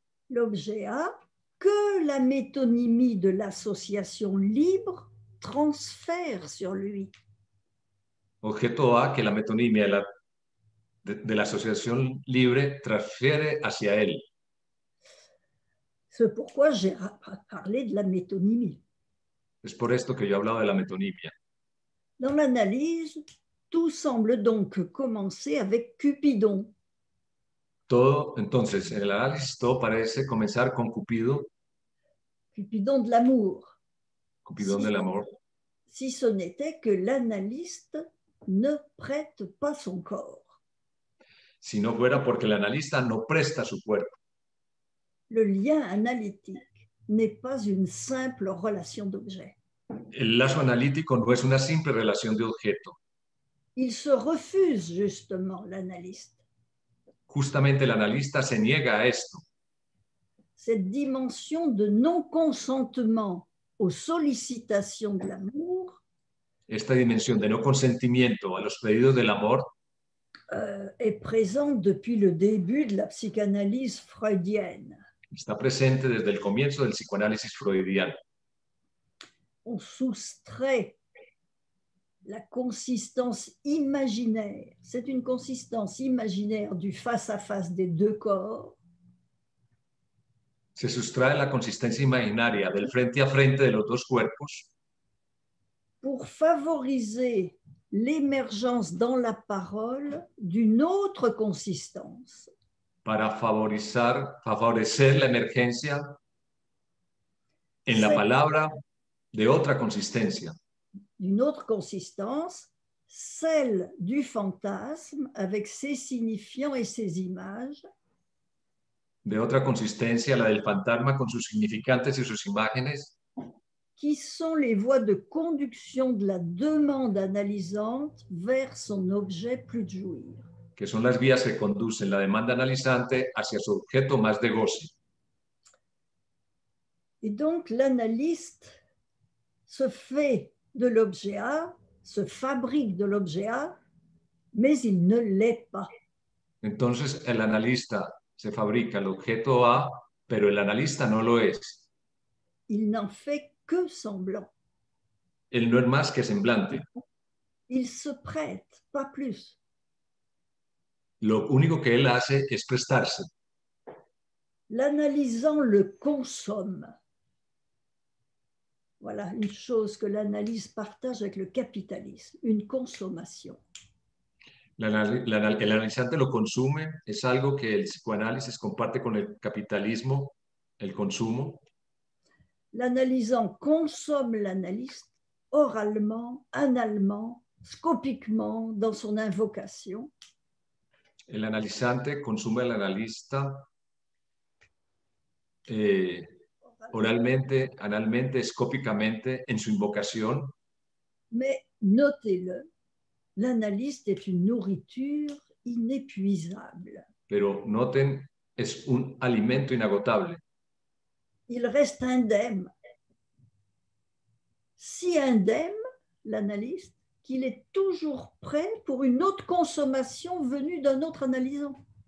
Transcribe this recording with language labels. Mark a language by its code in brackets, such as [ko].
[fr] L'objet A que la métonymie de l'association libre transfère sur lui. [es] Objeto A que la métonymie de l'association libre transfère hacia elle. [fr] C'est pourquoi j'ai parlé de la métonymie. [es] Es por esto que yo hablaba de la metonimia. [fr] Dans l'analyse, tout semble donc commencer avec Cupidon. [es] Todo, entonces, en el análisis, todo parece comenzar con Cupido. [fr] Cupidon de l'amour. Cupidon si, de l'amour. Si ce n'était que l'analyste ne prête pas son corps. [es] Si no fuera porque el analista no presta su cuerpo. [fr] Le lien analytique n'est pas une simple relation d'objet. [es] El lazo analítico no es una simple relación de objeto. [fr] Il se refuse justement, l'analyste. [es] Justamente el analista se niega a esto. [fr] Cette dimension de non-consentement aux sollicitations de l'amour. [es] Esta dimensión de no consentimiento a los pedidos del amor. [fr] Est présente depuis le début de la psychanalyse freudienne. [es] Está presente desde el comienzo del psicoanálisis freudiano. [fr] On soustrait la consistance imaginaire. C'est une consistance imaginaire du face-à-face des deux corps. [es] Se sustrae la consistencia imaginaria del frente a frente de los dos cuerpos. [fr] Pour favoriser l'émergence dans la parole d'une autre consistance. [es] Para favorecer la emergencia en la palabra de otra consistencia. [fr] D'une autre consistance, celle du fantasme avec ses signifiants et ses images. [es] De otra consistencia, la del fantasma con sus significantes y sus imágenes. [fr] Qui sont les voies de conduction de la demande analysante vers son objet plus de jouir. [es] Que son las vías que conducen la demanda analizante hacia su objeto más de goce. [fr] Et donc l'analyste se fait de l'objet A, se fabrique de l'objet A, mais il ne l'est pas. [es] Entonces el analista se fabrica el objeto A, pero el analista no lo es. [fr] Il n'en fait que semblant. [es] Él no es más que semblante. [fr] Il se prête, pas plus. [es] Lo único que él hace es prestarse. [fr] L'analysant le consomme. Voilà une chose que l'analyse partage avec le capitalisme, une consommation. [es] El analizante lo consume, es algo que el psicoanálisis comparte con el capitalismo, el consumo. [fr] L'analysant consomme l'analyste oralement, analement, scopiquement, dans son invocation. [es] El analizante consume al analista oralmente, analmente, escópicamente, en su invocación. [fr] Mais notez-le, l'analyste est une nourriture inépuisable. [es] Pero noten, es un alimento inagotable. [fr] Il reste indemne. Si indemne, l'analyste, qu'il est toujours prêt pour une autre consommation venue d'un autre analysant.